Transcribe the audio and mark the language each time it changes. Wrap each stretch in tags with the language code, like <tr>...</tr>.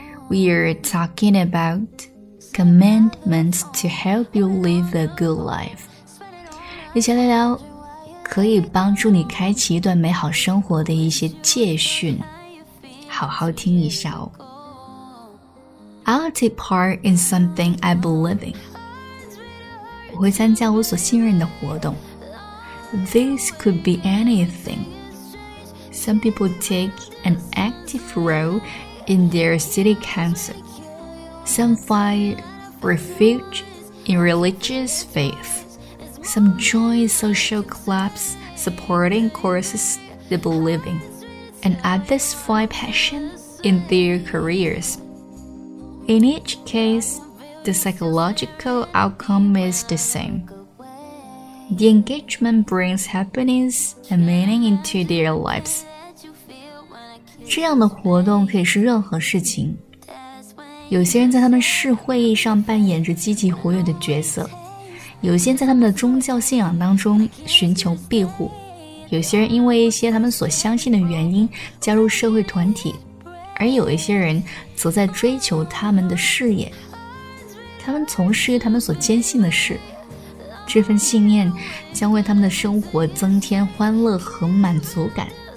<zh>We're talking about commandments to help you live a good life，一起来聊可以帮助你开启一段美好生活的一些戒训，好好听一下哦。</zh> <en>I'll take part in something I believe in.</en> <zh>我会参加我所信任的活动。</zh> <en>This could be anything. Some people take an active role in their city council. Some find refuge in religious faith. Some join social clubs supporting causes they believe in. And others find passion in their careers. In each case, the psychological outcome is the same. The engagement brings happiness and meaning into their lives.</en> <zh>这样的活动可以是任何事情。有些人在他们市会议上扮演着积极活跃的角色，有些人在他们的宗教信仰当中寻求庇护，有些人因为一些他们所相信的原因加入社会团体，而有一些人则在追求他们的事业，他们从事他们所坚信的事，这份信念将为他们的生活增添欢乐和满足感。</zh>